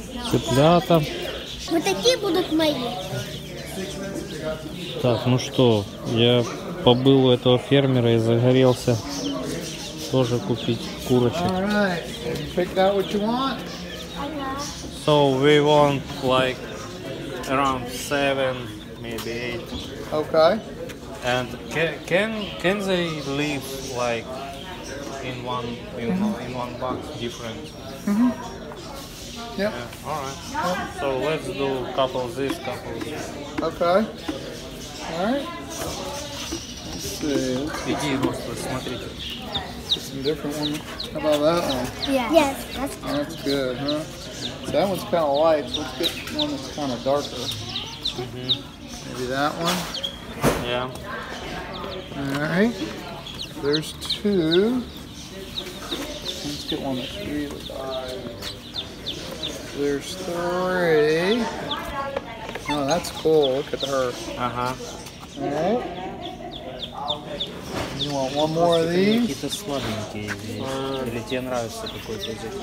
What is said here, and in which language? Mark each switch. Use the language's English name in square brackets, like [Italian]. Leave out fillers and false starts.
[Russian] Цыплята. Вот такие будут мои. Так, ну что, я побыл у этого фермера и загорелся тоже купить курочек. [English] Pick that what you want. So we want like around 7, maybe 8. Okay. And can they live like in one, you mm-hmm. know, in one box different? Mm-hmm. Yep. Yeah. All right. Yep. So let's do couple this. Okay. All right. Let's see. Let's see. [Russian] Смотрите. [English] Just some different ones. How about that one? Yeah. Yes. That's good. Oh, that's good, huh? That one's kind of light. So let's get one that's kind of darker. Mm-hmm. Maybe that one. Yeah. All right. There's two. Let's get one that's really high. There's three. Oh, that's cool. Look at her. Uh-huh. All right. One more of these? [Russian] Какие-то сладенькие здесь. Или тебе нравится какой-то здесь?